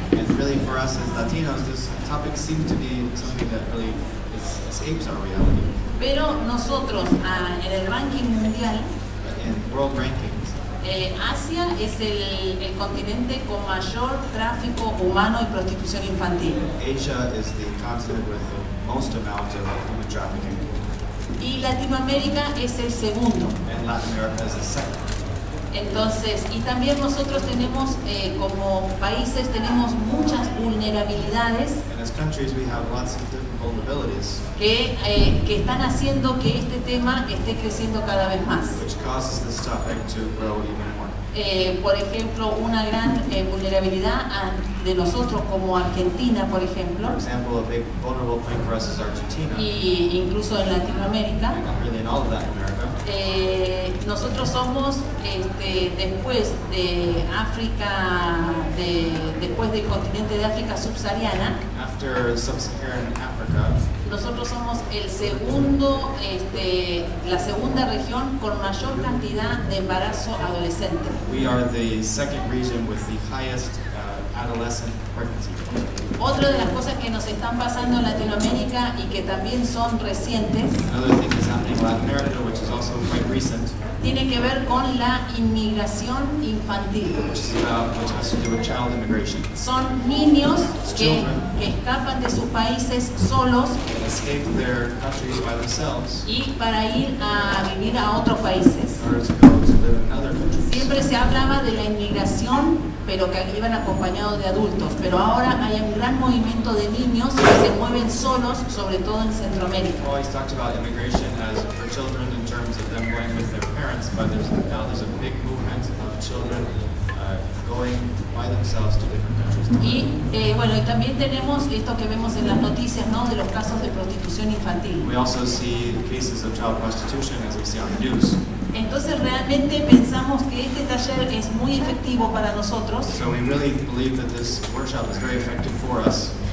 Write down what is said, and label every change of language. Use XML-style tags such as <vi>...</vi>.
<en>And really for us as Latinos, this topic seems to be something that really escapes our reality.</en> <es>Pero nosotros en el ranking mundial,</es> <en>in world rankings,</en> <es>Asia es el continente con mayor tráfico humano y prostitución infantil.</es> <en>Asia is the continent with the most amount of human trafficking.</en> <es>Y Latinoamérica es el segundo.</es> <en>And Latin America is the second.</en> <es>Entonces, y también nosotros tenemos, como países, tenemos muchas vulnerabilidades.</es> <en>And as countries we have lots of different vulnerabilities.</en> <es>Que están haciendo que este tema esté creciendo cada vez más.</es> <en>Which causes this topic to grow even more.</en> <es>Por ejemplo, una gran vulnerabilidad de nosotros como Argentina, por ejemplo.</es> <en>For example, a big vulnerable thing for us is Argentina.</en> <es>Y incluso en Latinoamérica.</es> <en>Really in all of Latin America.</en> <es>Nosotros somos después de África, después del continente de África subsahariana.</es> <en>After Sub-Saharan Africa.</en> <es>Nosotros somos el segundo, la segunda región con mayor cantidad de embarazo adolescente.</es> <en>We are the second region with the highest adolescent pregnancy.</en> <es>Otra de las cosas que nos están pasando en Latinoamérica y que también son recientes.</es> <en>Another thing that's happening in Latin America, which is also quite recent.</en> <es>Tiene que ver con la inmigración infantil.</es> <en>Which has to do with child immigration.</en> <es>Son niños que escapan de sus países solos.</es> <en>They escape their countries by themselves.</en> <es>Y para ir a vivir a otros países.</es> <en>In order to go to live in other countries.</en> <es>Siempre se hablaba de la inmigración, pero que iban acompañados de adultos. Pero ahora hay un gran movimiento de niños que se mueven solos, sobre todo en Centroamérica.</es> <en>We always talked about immigration as for children in terms of them going with their parents, but now there's a big movement of children going by themselves to different countries.</en> <es>Y bueno, y también tenemos esto que vemos en las noticias, ¿no? De los casos de prostitución infantil.</es> <en>We also see cases of child prostitution as we see on the news.</en> <es>Entonces realmente pensamos que este taller es muy efectivo para nosotros.</es> <en>So we really believe that this workshop is very effective for us.</en>